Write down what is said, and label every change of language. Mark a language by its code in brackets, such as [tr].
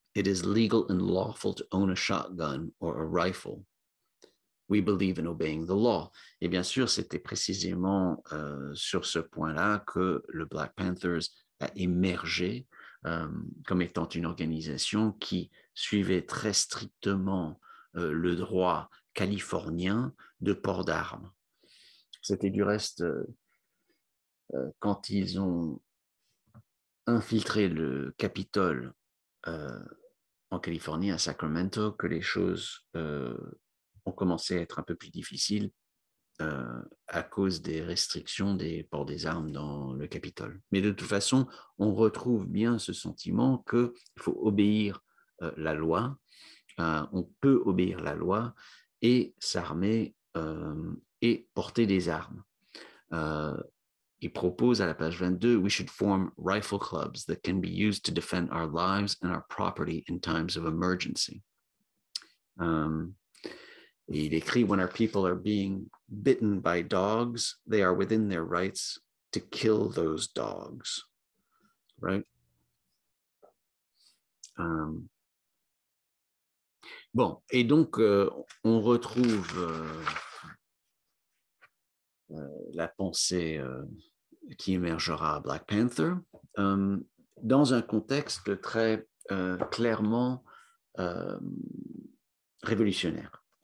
[en] It is legal and lawful to own a shotgun or a rifle. We believe in obeying the law. [fr] » Et bien sûr, c'était précisément sur ce point-là que le Black Panthers a émergé comme étant une organisation qui suivait très strictement le droit californien de port d'armes. C'était du reste quand ils ont infiltré le Capitole en Californie, à Sacramento, que les choses ont commencé à être un peu plus difficiles à cause des restrictions des ports des armes dans le Capitole. Mais de toute façon, on retrouve bien ce sentiment qu'il faut obéir la loi, on peut obéir la loi et s'armer et porter des armes. Il propose à la page 22, [en] « We should form rifle clubs that can be used to defend our lives and our property in times of emergency. » [fr] Il écrit, [en] « When our people are being bitten by dogs, they are within their rights to kill those dogs. » Right? [fr] Bon, et donc, on retrouve la pensée qui émergera à Black Panther dans un contexte très clairement révolutionnaire.